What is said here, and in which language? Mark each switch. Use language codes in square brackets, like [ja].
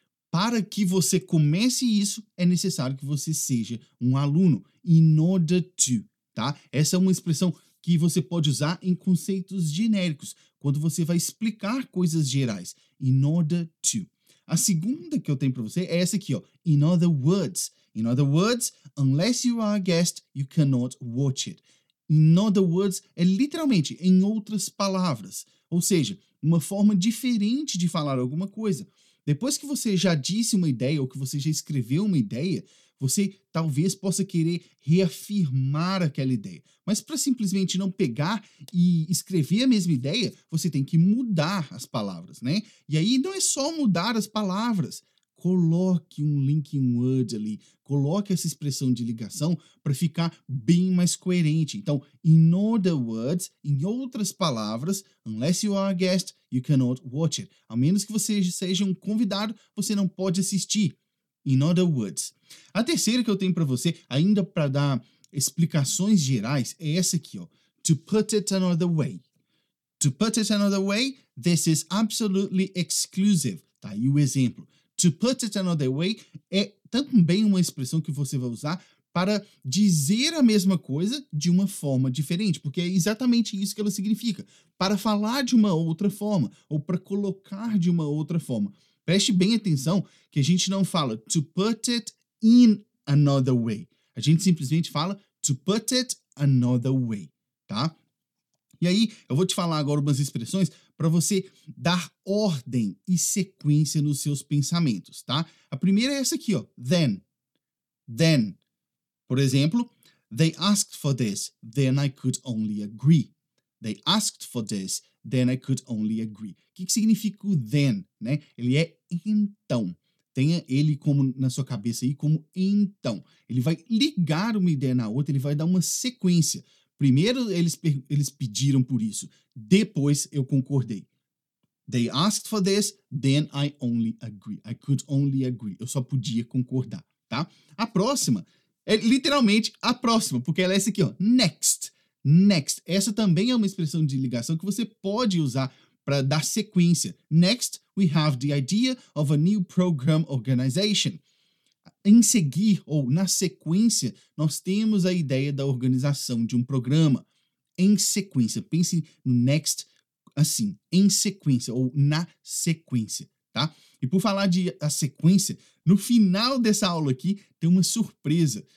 [pt] Para que você comece isso, é necessário que você seja um aluno. In order to, tá? Essa é uma expressão que você pode usar em conceitos genéricos, quando você vai explicar coisas gerais. In order to. A segunda que eu tenho para você é essa aqui, ó. [en] In other words. In other words, unless you are a guest, you cannot watch it. [pt] In other words é literalmente em outras palavras. Ou seja, uma forma diferente de falar alguma coisa. Depois que você já disse uma ideia ou que você já escreveu uma ideia, você talvez possa querer reafirmar aquela ideia. Mas para simplesmente não pegar e escrever a mesma ideia, você tem que mudar as palavras, né? E aí não é só mudar as palavras. Coloque um linking word ali. Coloque essa expressão de ligação para ficar bem mais coerente. Então, in other words, em outras palavras, [en] unless you are a guest, you cannot watch it. [pt] A menos que você seja um convidado, você não pode assistir. In other words. A terceira que eu tenho para você, ainda para dar explicações gerais, é essa aqui, ó. [en] To put it another way. To put it another way, this is absolutely exclusive. [pt] Tá aí o exemplo. To put it another way é também uma expressão que você vai usar para dizer a mesma coisa de uma forma diferente, porque é exatamente isso que ela significa. Para falar de uma outra forma, ou para colocar de uma outra forma. Preste bem atenção que a gente não fala to put it in another way. A gente simplesmente fala to put it another way, tá? E aí, eu vou te falar agora umas expressões para você dar ordem e sequência nos seus pensamentos, tá? A primeira é essa aqui, ó, then. Then. Por exemplo, [en] they asked for this, then I could only agree. They asked for this, then I could only agree. [pt] O que significa o then, né? Ele é então. Tenha ele como na sua cabeça aí, como então. Ele vai ligar uma ideia na outra, ele vai dar uma sequência. Primeiro eles pediram por isso, depois eu concordei. [en] They asked for this, then I only agree. I could only agree. [pt] Eu só podia concordar, tá? A próxima é literalmente a próxima, porque ela é essa aqui, ó. Next. Next. Essa também é uma expressão de ligação que você pode usar para dar sequência. [en] Next, we have the idea of a new program organization. [pt] Em seguir, ou na sequência, nós temos a ideia da organização de um programa. Em sequência. Pense no next assim, em sequência, ou na sequência, tá? E por falar de a sequência, no final dessa aula aqui, tem uma surpresa.